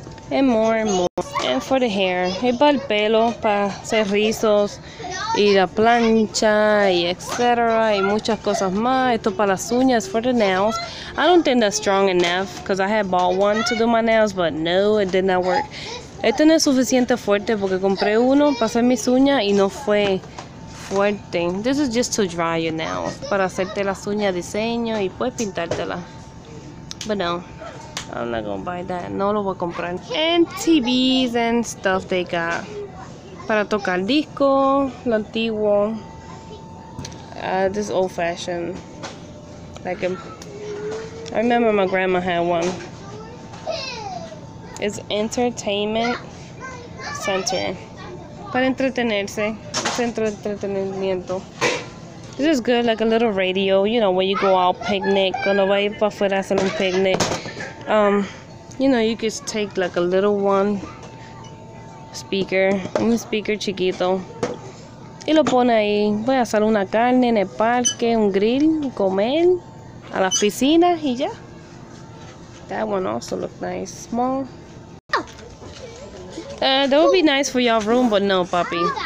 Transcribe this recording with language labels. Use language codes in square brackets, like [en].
[en] And more and more. And for the hair. [es] Y para el pelo, para hacer rizos. Y la plancha, y etc. Y muchas cosas más. Esto para las uñas, [en] for the nails. I don't think that's strong enough. Because I had bought one to do my nails. But no, it did not work. [es] Este no es suficiente fuerte porque compré uno para hacer mis uñas y no fue fuerte. [en] This is just to dry your nails. [es] Para hacerte las uñas diseño y pues pintártela. [en] But no, I'm not gonna buy that. [es] No lo voy a comprar. [en] And TVs and stuff they got. [es] Para tocar disco, lo antiguo. [en] This old fashioned. Like a, I remember my grandma had one. It's entertainment center. [es] Para entretenerse. Centro de entretenimiento. [en] This is good, like a little radio, you know, when you go out picnic. [es] Cuando vayas para afuera a hacer un picnic. [en] You know, you could take like a little one speaker. [es] Un speaker chiquito. Y lo pone ahí. Voy a hacer una carne en el parque, un grill, comer, a la piscina y ya. [en] That one also looks nice. Small. That would be nice for your room, but no, puppy.